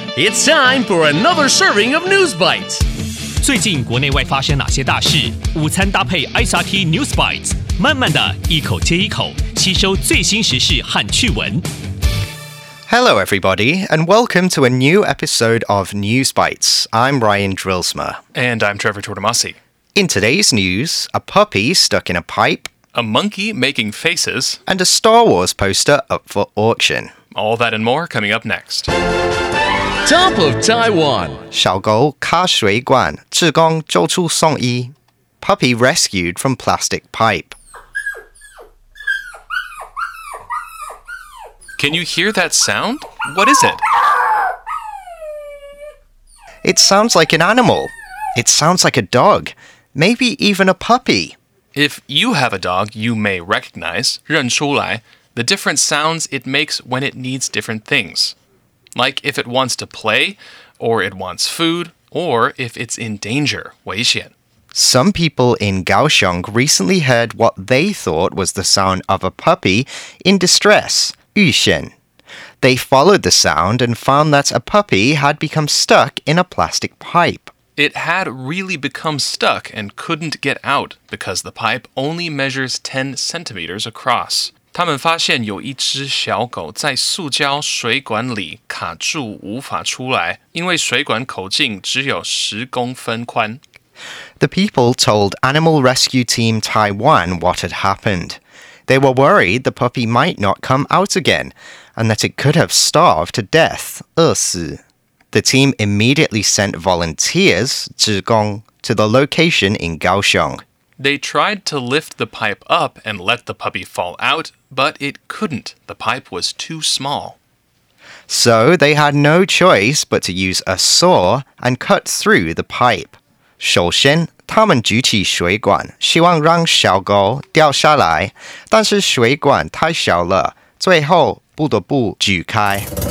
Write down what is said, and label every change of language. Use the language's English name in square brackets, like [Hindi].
[English] It's time for another serving of News Bites. [Chinese] 最近国内外发生哪些大事？午餐搭配 ISRT News Bites， 慢慢的一口接一口，吸收最新时事和趣闻。 [English] Hello, everybody, and welcome to a new episode of News Bites. I'm Ryan Drillsma. And I'm Trevor Tortomasi. In today's news, a puppy stuck in a pipe, a monkey making faces, and a Star Wars poster up for auction. All that and more coming up next. Top of Taiwan. [Chinese] 小狗卡水管，志工救出送医。 [English] Puppy rescued from plastic pipe. Can you hear that sound? What is it? It sounds like an animal. It sounds like a dog. Maybe even a puppy. If you have a dog, you may recognize, [Chinese] 认出来, [English] the different sounds it makes when it needs different things. Like if it wants to play, or it wants food, or if it's in danger, [Chinese] 危险. [English] Some people in Kaohsiung recently heard what they thought was the sound of a puppy in distress. They followed the sound and found that a puppy had become stuck in a plastic pipe. It had really become stuck and couldn't get out because the pipe only measures 10 centimeters across. [Chinese] 他们发现有一只小狗在塑胶水管里卡住无法出来，因为水管口径只有十公分宽。 [English] The people told Animal Rescue Team Taiwan what had happened. They were worried the puppy might not come out again, and that it could have starved to death, [Chinese] 饿死. [English] The team immediately sent volunteers, [Chinese] 志工, [English] to the location in Kaohsiung. They tried to lift the pipe up and let the puppy fall out, but it couldn't. The pipe was too small. So they had no choice but to use a saw and cut through the pipe. [Chinese] 首先他们举起水管，希望让小狗掉下来，但是水管太小了，最后不得不鋸开。